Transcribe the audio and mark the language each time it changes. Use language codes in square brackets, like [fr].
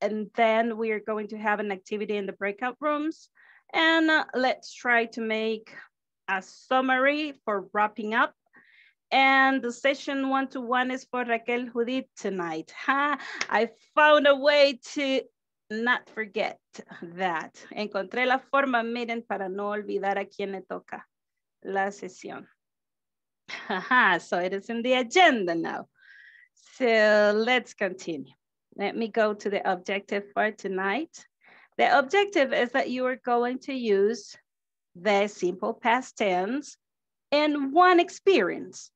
[en] And then we are going to have an activity in the breakout rooms. And let's try to make a summary for wrapping up. And the session one-to-one is for Raquel Judith tonight. Ha, I found a way to not forget that. [es] Encontré la forma, miren, para no olvidar a quien le toca la sesión. [en] Ha, so it is in the agenda now. So let's continue. Let me go to the objective for tonight. The objective is that you are going to use the simple past tense and one experience.